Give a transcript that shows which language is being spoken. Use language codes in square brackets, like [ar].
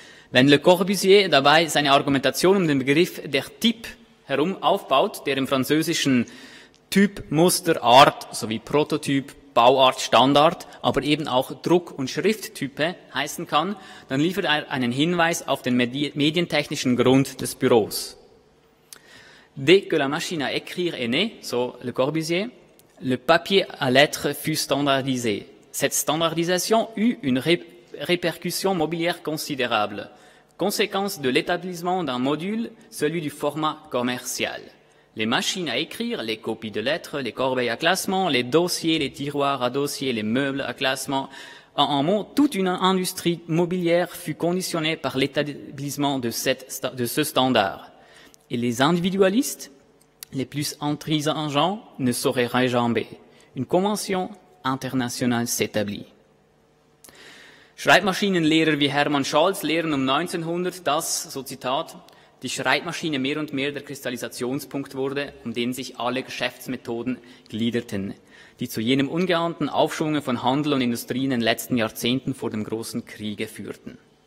[de] Wenn Le Corbusier dabei seine Argumentation um den Begriff der Typ herum aufbaut, der im Französischen Typ, Muster, Art sowie Prototyp, Bauart, Standard, aber eben auch Druck- und Schrifttype heißen kann, dann liefert er einen Hinweis auf den medientechnischen Grund des Büros. [fr] Dès que la machine à écrire est née, [de] so Le Corbusier, [fr] le papier à lettres fut standardisé. Cette standardisation eut une répercussion mobilière considérable. Conséquence de l'établissement d'un module, celui du format commercial. Les machines à écrire, les copies de lettres, les corbeilles à classement, les dossiers, les tiroirs à dossiers, les meubles à classement. En mot, toute une industrie mobilière fut conditionnée par l'établissement de ce standard. Et les individualistes, les plus intransigeants, ne sauraient réjamber. Une convention internationale s'établit. [de] Schreibmaschinenlehrer wie Hermann Scholz lehren um 1900, dass, so Zitat, die Schreibmaschine mehr und mehr der Kristallisationspunkt wurde, um den sich alle Geschäftsmethoden gliederten, die zu jenem ungeahnten Aufschwung von Handel und Industrie in den letzten Jahrzehnten vor dem großen Kriege führten.